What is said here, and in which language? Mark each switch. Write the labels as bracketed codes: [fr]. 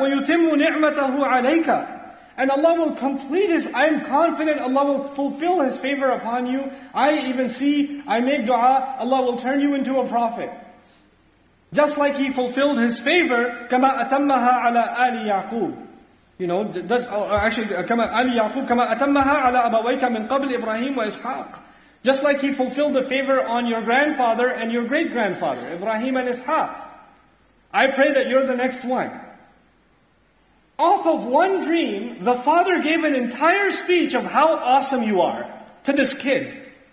[ar] وَيُتِمُّ نِعْمَتَهُ عَلَيْكَ. [en] And Allah will complete His, I'm confident Allah will fulfill His favor upon you. I even see, I make dua, Allah will turn you into a prophet. Just like He fulfilled His favor, [ar] كَمَا أَتَمَّهَا عَلَى آلِ يَعْقُوبِ. [en] You know, [ar] كَمَا أَتَمَّهَا عَلَىٰ أَبَوَيْكَ مِنْ قَبْلِ إِبْرَاهِيمُ وَإِسْحَاقُ. [en] Just like He fulfilled the favor on your grandfather and your great-grandfather, Ibrahim and Ishaq. I pray that you're the next one. Off of one dream, the father gave an entire speech of how awesome you are to this kid.